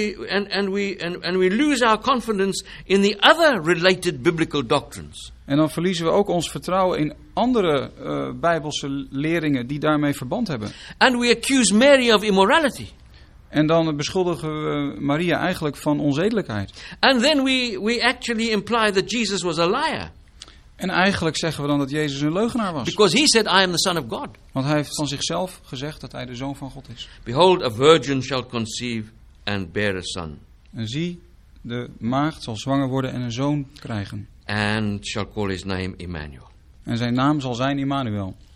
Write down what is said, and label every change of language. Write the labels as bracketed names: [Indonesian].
[English] And we lose our confidence in the other related biblical doctrines. [Dutch] En dan verliezen we ook ons vertrouwen in andere bijbelse leringen die daarmee verband hebben. [English] And we accuse Mary of immorality. [Dutch] En dan beschuldigen we Maria eigenlijk van onzedelijkheid. [English] And then we actually imply that Jesus was a liar. [Dutch] En eigenlijk zeggen we dan dat Jezus een leugenaar was. [English] Because he said, I am the son of God. [Dutch] Want hij heeft van zichzelf gezegd dat hij de zoon van God is. [English] Behold, a virgin shall conceive and bear a son. [Dutch] En zie, de maagd zal zwanger worden en een zoon krijgen. [English] And shall call his name Emmanuel. [Dutch] En zijn naam zal zijn Emmanuel.